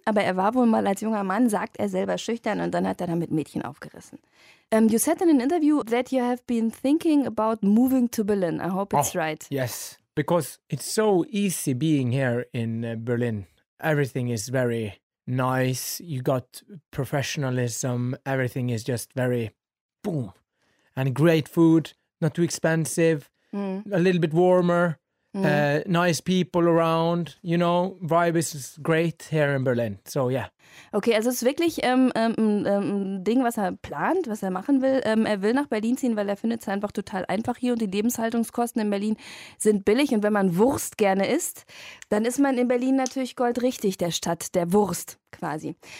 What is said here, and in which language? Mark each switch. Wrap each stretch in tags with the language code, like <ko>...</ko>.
<de>Aber er war wohl mal als junger Mann, sagt er selber, schüchtern. Und dann hat er damit Mädchen aufgerissen.</de> <en>You said in an interview that you have been thinking about moving to Berlin. I hope it's right. Yes, because it's so easy being here in Berlin. Everything is very nice. You got professionalism. Everything is just very boom. And great food. Not too expensive. A little bit warmer, nice people around, you know, vibe is great here in Berlin, so yeah.</en> <de>Okay, also es ist wirklich ein Ding, was er plant, was er machen will. Er will nach Berlin ziehen, weil er findet es einfach total einfach hier und die Lebenshaltungskosten in Berlin sind billig und wenn man Wurst gerne isst, dann ist man in Berlin natürlich goldrichtig, der Stadt der Wurst quasi.</de>